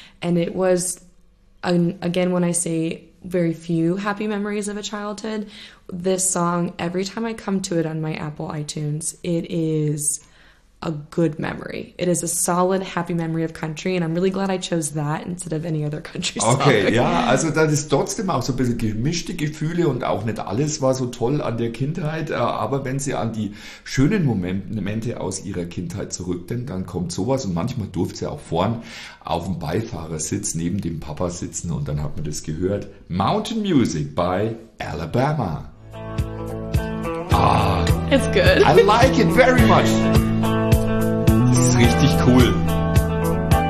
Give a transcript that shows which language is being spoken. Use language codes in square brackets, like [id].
[en] And it was, again, when I say very few happy memories of a childhood, this song, every time I come to it on my Apple iTunes, it is a good memory. It is a solid, happy memory of country, and I'm really glad I chose that instead of any other country song. [de] Okay, ja, also das ist trotzdem auch so ein bisschen gemischte Gefühle, und auch nicht alles war so toll an der Kindheit, aber wenn sie an die schönen Momente aus ihrer Kindheit zurückdenkt, dann kommt sowas, und manchmal durfte sie auch vorn auf dem Beifahrersitz neben dem Papa sitzen, und dann hat man das gehört. [en] Mountain Music by Alabama. Ah, it's good. I like it very much. [de] Das ist richtig cool.